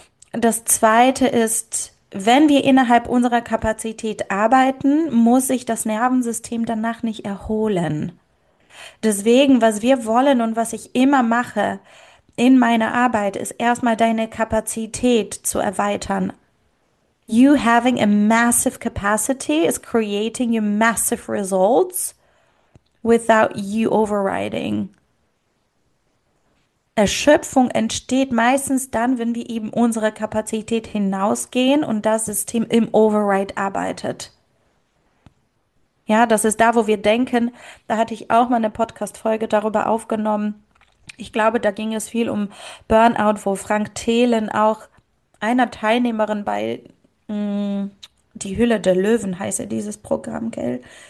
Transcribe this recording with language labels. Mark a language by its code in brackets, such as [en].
[de] Das zweite ist, wenn wir innerhalb unserer Kapazität arbeiten, muss sich das Nervensystem danach nicht erholen. Deswegen, was wir wollen und was ich immer mache in meiner Arbeit, ist erstmal deine Kapazität zu erweitern. [en] You having a massive capacity is creating your massive results without you overriding. [de] Erschöpfung entsteht meistens dann, wenn wir eben unsere Kapazität hinausgehen und das System im Override arbeitet. Ja, das ist da, wo wir denken. Da hatte ich auch mal eine Podcast-Folge darüber aufgenommen. Ich glaube, da ging es viel um Burnout, wo Frank Thelen auch einer Teilnehmerin bei Die Hülle der Löwen heißt ja dieses Programm, gell?